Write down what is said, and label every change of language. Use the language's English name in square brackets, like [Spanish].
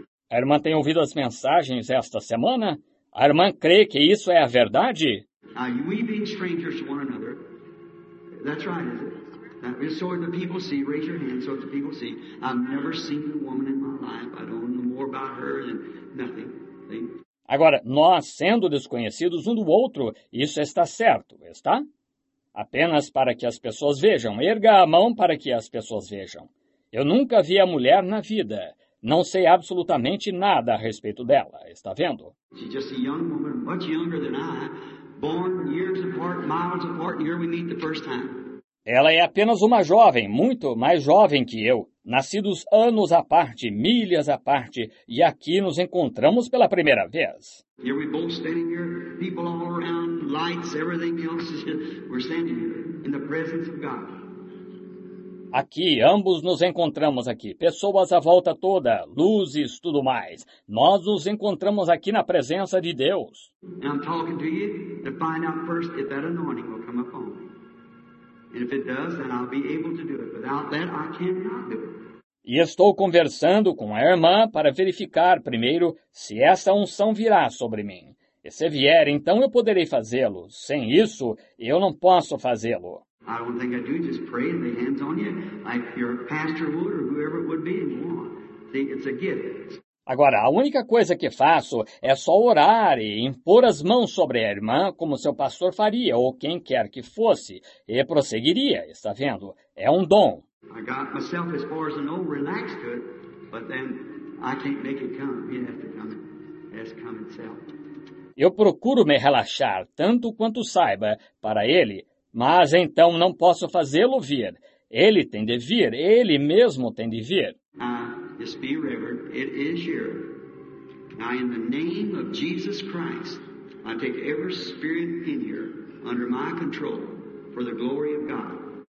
[Portuguese] A irmã tem ouvido as mensagens esta semana? A irmã crê que isso é a verdade? [English] We being strangers to one another. That's right, isn't it? So the people see, raise your hand so the people see. I've never seen a woman in my life. I don't know more about her than nothing. [Portuguese] Agora, nós sendo desconhecidos um do outro, isso está certo, está? Apenas para que as pessoas vejam. Erga a mão para que as pessoas vejam. Eu nunca vi a mulher na vida. Não sei absolutamente nada a respeito dela. Está vendo? [English] She's just a young woman, much younger than I, born years apart, miles apart, and here we meet the first time. [Portuguese] Ela é apenas uma jovem, muito mais jovem que eu, nascidos anos à parte, milhas à parte, e aqui nos encontramos pela primeira vez. [English] Here we both standing here, people all around, lights, everything else. We're standing here in the presence of God. [Portuguese] Aqui, ambos nos encontramos aqui, pessoas à volta toda, luzes, tudo mais. Nós nos encontramos aqui na presença de Deus. [English] And I'm talking to you to find out first if that anointing will come upon. And if it does, then I'll be able to do it. Without that, I cannot do it. [Portuguese] E estou conversando com a irmã para verificar primeiro se essa unção virá sobre mim. E se vier, então eu poderei fazê-lo. Sem isso, eu não posso fazê-lo. [English] I don't think I do. Just pray and lay hands on you, like your pastor would or whoever it would be. And you want. See, it's a gift. [Portuguese] Agora, a única coisa que faço é só orar e impor as mãos sobre a irmã como seu pastor faria, ou quem quer que fosse, e prosseguiria, está vendo? É um dom. [English] I got myself as far as I know, relaxed to it, but then I can't make it come. You have to come. It's come itself. [Portuguese] Eu procuro me relaxar tanto quanto saiba para ele, mas então não posso fazê-lo vir. Ele tem de vir, ele mesmo tem de vir. [English] Just be reverent. It is here. Now, in the name of Jesus Christ, I take every spirit in here under my control for the glory of God.